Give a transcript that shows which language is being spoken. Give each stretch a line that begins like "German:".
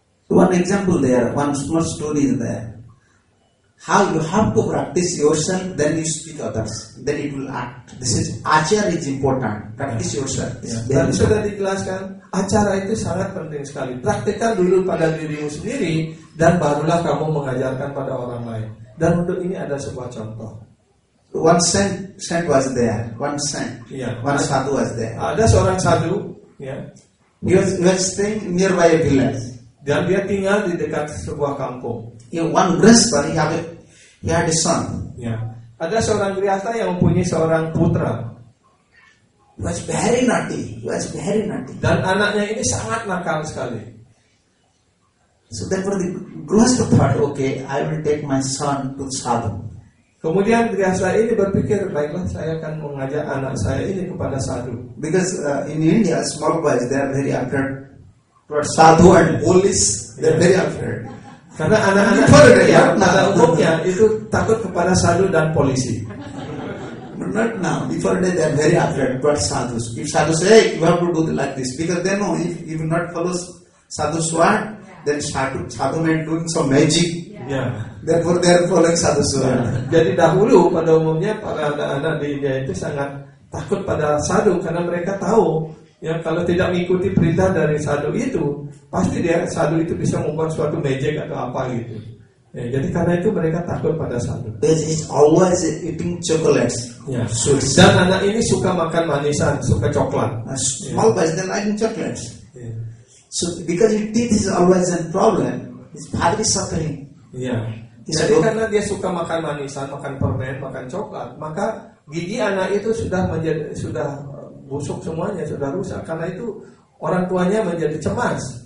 English: One example there, one small story there. How you have to practice yourself, then you speak others, then it will act. This is acara is important. Practice yourself.
Indonesian: Tadi sudah dijelaskan, acara itu sangat penting sekali. Praktikkan dulu pada dirimu sendiri dan barulah kamu mengajarkan pada orang lain. Dan untuk ini ada sebuah contoh.
English: One saint, saint was there. One saint. One sadhu was there.
Indonesian: Ada seorang sadhu.
English: He was staying nearby a village.
Indonesian: Dan dia tinggal di dekat sebuah kampung.
English: One grihastha, he had a son.
Indonesian: Ada seorang grihastha yang mempunyai seorang putra.
English: He was very naughty.
Indonesian: Dan anaknya ini sangat nakal sekali.
English: So therefore the grihastha thought, okay, I will take my son to sadhu.
Indonesian: Kemudian grihastha ini berpikir, baiklah saya akan mengajak anak saya ini kepada sadhu.
English: Because in India, small boys, they are very afraid. But sadhu and police, they're very afraid.
Indonesian: Karena anak-anak pada umumnya itu takut kepada sadhu dan polisi.
English: Not now. Before that, they're very afraid. But sadhus, if sadhu say, hey, you have to do it like this, because they know if you not follow sadhu's word, then sadhu may do some magic. Therefore, they're following sadhu's word.
Indonesian: Jadi dahulu pada umumnya para anak-anak di India itu sangat takut pada sadhu karena mereka tahu. Ya, kalau tidak mengikuti perintah dari sadhu itu, pasti dia sadhu itu bisa membuat suatu magic atau apa gitu. Ya, jadi karena itu mereka takut pada sadhu.
English: This is always eating chocolates.
Indonesian: Ya, sweet. Dan anak ini suka makan manisan, suka coklat.
English: Small boys they like chocolates. So because his teeth is always a problem, his father is suffering.
Indonesian: Ya. Jadi karena dia suka makan manisan, makan permen, makan coklat, maka gigi anak itu sudah busuk semuanya, sudah rusak. Karena itu orang tuanya menjadi cemas.